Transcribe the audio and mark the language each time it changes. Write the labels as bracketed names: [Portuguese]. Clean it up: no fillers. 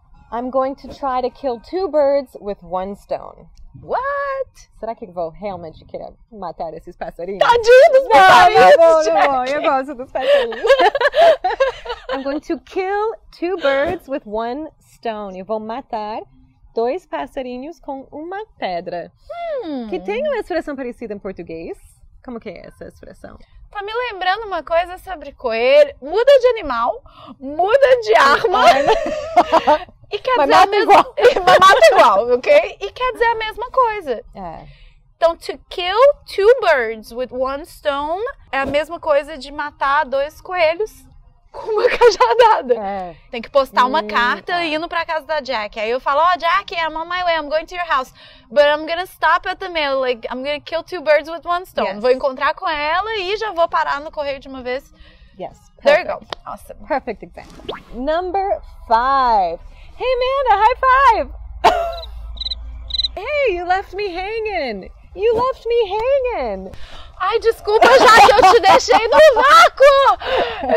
[English] I'm going to try to kill two birds with one stone. What? [Portuguese] Será que vou realmente querer matar esses passarinhos? Tadinho dos passarinhos! Tá bom, tá bom, eu gosto dos passarinhos. [English] I'm going to kill two birds with one stone. [Portuguese] Eu vou matar dois passarinhos com uma pedra. Que tem uma expressão parecida em português. Como que é essa expressão? Tá me lembrando uma coisa sobre coelho. Muda de animal, muda de arma. E quer mas dizer mata igual. Mata igual, ok? E quer dizer a mesma coisa. Então, [English] to kill two birds with one stone [Portuguese] é a mesma coisa de matar dois coelhos com uma cajadada. Tem que postar uma carta indo pra casa da Jackie. Aí eu falo, [English] oh, Jackie, I'm on my way, I'm going to your house. But I'm gonna stop at the mail, like, I'm gonna kill two birds with one stone. [Portuguese] Vou encontrar com ela e já vou parar no correio de uma vez. [English] Yes. Perfect. There you go. Awesome. Perfect example. Number 5. Hey, Amanda, high five! Hey, you left me hanging! You left me hanging! [Portuguese] Ai, desculpa, já que eu te deixei no vácuo!